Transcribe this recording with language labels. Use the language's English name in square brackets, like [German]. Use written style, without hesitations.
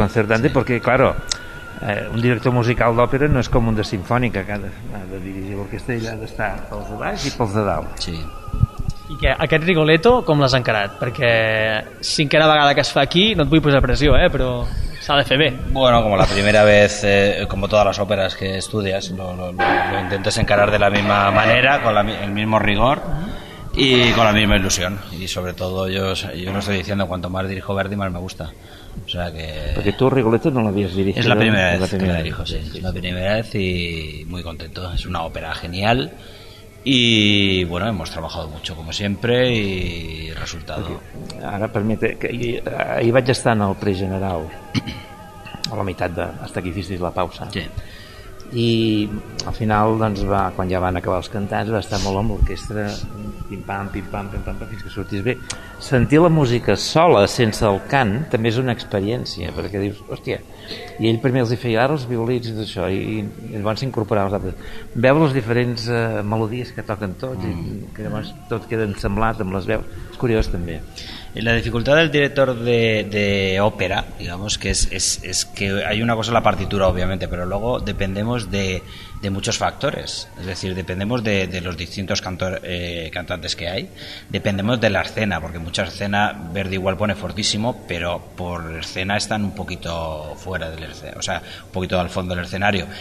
[Catalan] Concertante, sí. Perquè, claro, un director musical d'òpera no és com un de sinfònica, que ha de dirigir l'orquestra i ha d'estar pels de baix i pels de dalt. Sí. I que aquest Rigoletto, com l'has encarat? Perquè cinquena vegada que es fa aquí, no et vull posar pressió, però... S'ha de fer bé. [Spanish] Bueno, como la primera vez, como todas las óperas que estudias, lo intentas encarar de la misma manera, con el mismo rigor y con la misma ilusión. Y sobre todo, yo lo estoy diciendo, cuanto más dirijo Verdi, más me gusta. O sea que... Porque tú Rigoletto no lo habías dirigido. Es la primera vez que lo dirijo, sí. Es la primera vez y muy contento. Es una ópera genial. Y bueno, hemos trabajado mucho como siempre y el resultado. [Catalan] Ara permite que ahir vaig estar en el pregeneral a la meitat [Spanish] hasta que hicisteis la pausa. [Catalan] Sí. I al final doncs quan ja van acabar els cantants, va estar molt amb l'orquestra pim pam pim pam pim pam fins que sortís bé. Sentir la música sola sense el cant també és una experiència, perquè dius, hòstia, i ell primer els hi feia ara els violins i tot això, i llavors s'incorporava els altres. Veu les diferents melodies que toquen tots, i que llavors tot queda ensemblat amb les veus. És curiós també. La dificultat del director de òpera, [Spanish] digamos, que és que hay una cosa en la partitura, obviamente, pero luego dependemos de muchos factores, es decir, dependemos de los distintos cantantes que hay, dependemos de la escena, porque mucha escena, Verdi igual pone fortísimo, pero por escena están un poquito fuera del escenario, o sea, un poquito al fondo del escenario.